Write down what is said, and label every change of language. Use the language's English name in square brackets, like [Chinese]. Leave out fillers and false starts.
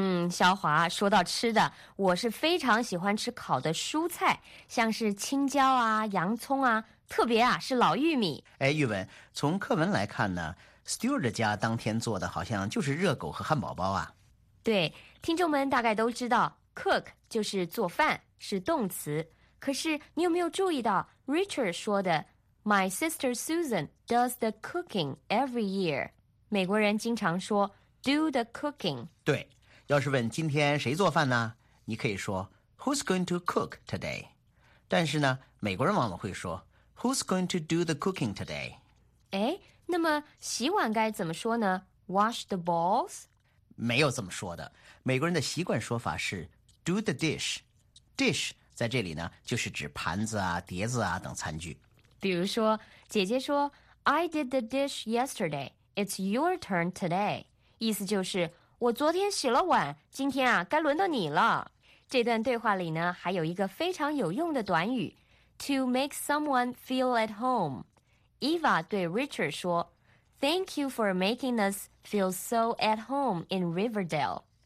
[Chinese] 小华，说到吃的，我是非常喜欢吃烤的蔬菜，像是青椒啊洋葱啊，特别啊是老玉米。哎，玉文，从课文来看呢， Stewart 家当天做的好像就是热狗和汉堡包啊。对，听众们大概都知道 cook 就是做饭，是动词。可是你有没有注意到 Richard 说的 [English] My sister Susan does the cooking every year， [Chinese] 美国人经常说 [English] Do the cooking. [Chinese] 对，要是问今天谁做饭呢，你可以说 [English] Who's going to cook today? [Chinese] 但是呢，美国人往往会说 [English] Who's going to do the cooking today? [Chinese] 哎，那么洗碗该怎么说呢？ [English] Wash the bowls? [Chinese] 没有这么说的。美国人的习惯说法是 [English] Do the dish. [Chinese] Dish 在这里呢，就是指盘子啊、碟子啊等餐具。比如说，姐姐说 [English] I did the dish yesterday. It's your turn today. [Chinese] 意思就是我昨天洗了碗，今天啊该轮到你了。这段对话里呢还有一个非常有用的短语 [English] To make someone feel at home。 [Chinese] Eva 对 Richard 说 [English] Thank you for making us feel so at home in Riverdale。